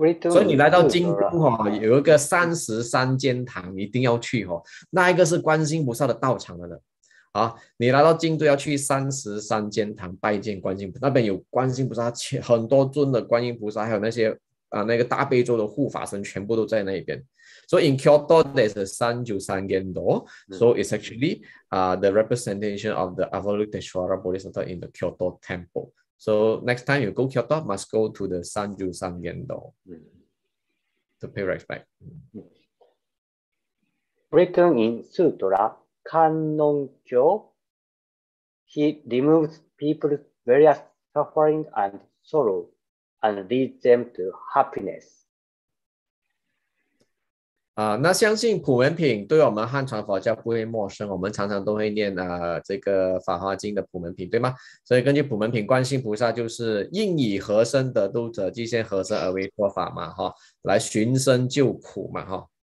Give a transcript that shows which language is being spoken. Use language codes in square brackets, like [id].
[zh] 所以你来到京都有一个33间堂一定要去，那一个是观世音菩萨的道场的。你来到京都要去33间堂拜见观世音菩萨，那边有观世音菩萨很多尊的观音菩萨，还有那些那个大悲咒的护法神全部都在那边。 [en] So in Kyoto, there's a 33 Gendo. So it's actually the representation of the Avalokiteshvara Bodhisattva in the Kyoto temple. So next time you go Kyoto, must go to the 33 Gendo to pay respect. Written in Sutra, Kannonkyo, he removes people's various suffering and sorrow and leads them to happiness. [zh] 那相信普门品对我们汉传佛教不会陌生，我们常常都会念这个法华经的普门品，对吗？所以根据普门品，观世音菩萨就是应以和身得度者，即现和身而为说法嘛，来寻声救苦嘛，